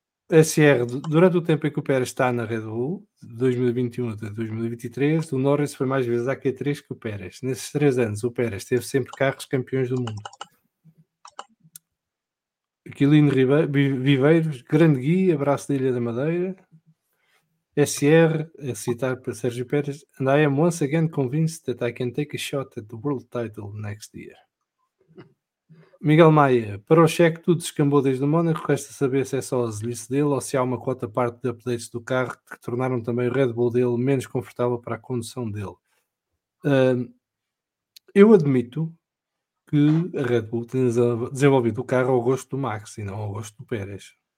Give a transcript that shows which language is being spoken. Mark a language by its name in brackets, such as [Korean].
[Portuguese] SR, durante o tempo em que o Pérez está na Red Bull, de 2021 até 2023, o Norris foi mais vezes à Q3 que o Pérez. Nesses 3 anos, o Pérez teve sempre carros campeões do mundo. Aquilino Viveiros, grande guia, abraço da Ilha da Madeira. SR, a citar para Sérgio Pérez, [English] and I am once again convinced that I can take a shot at the world title next year. [Portuguese] Miguel Maia, para o cheque tudo descambou desde o Mónaco, resta saber se é só a zelice dele ou se há uma quota parte de updates do carro que tornaram também o Red Bull dele menos confortável para a condução dele. Eu admito que a Red Bull tem desenvolvido o carro ao gosto do Max e não ao gosto do Pérez.